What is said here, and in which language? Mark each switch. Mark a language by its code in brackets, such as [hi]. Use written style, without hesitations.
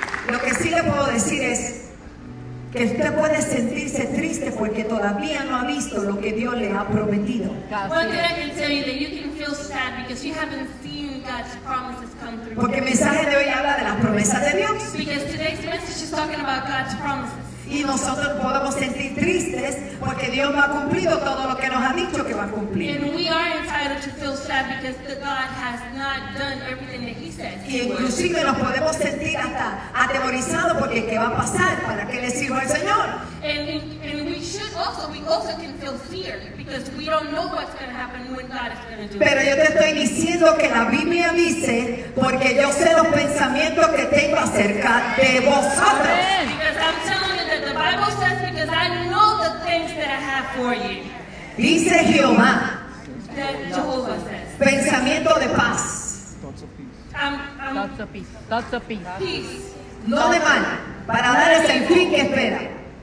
[es] Lo que sí le puedo decir es que usted puede sentirse triste porque todavía no ha visto lo que Dios le ha prometido. [en] One thing I can tell you that you can feel sad because you haven't seen God's promises come through. [es] Porque el mensaje de hoy habla de las promesas de Dios. [en] Because today's message is talking about God's promises. [es] Y nosotros podemos sentir tristes porque Dios no ha cumplido todo lo que nos ha dicho que va a cumplir. [en] And we are entitled to feel that because the God has not done everything that he says. [es] Y inclusive nos podemos sentir hasta atemorizados porque ¿qué va a pasar? ¿Para qué le sirvo al Señor? [en] And we should also, we also can feel fear because we don't know what's going to happen when God is going to do it. [es] Pero yo te estoy diciendo que la Biblia dice porque yo sé los pensamientos que tengo acerca de vosotros. [en] Amen. Because I'm telling you that the Bible says because I know the things that I have for you. [es] Dice Jehová. [en] Jehovah says. [es] Pensamiento de paz. [en] Lots of peace. Lots of peace. Peace. [es] No de mal. Para darles el fin que espera.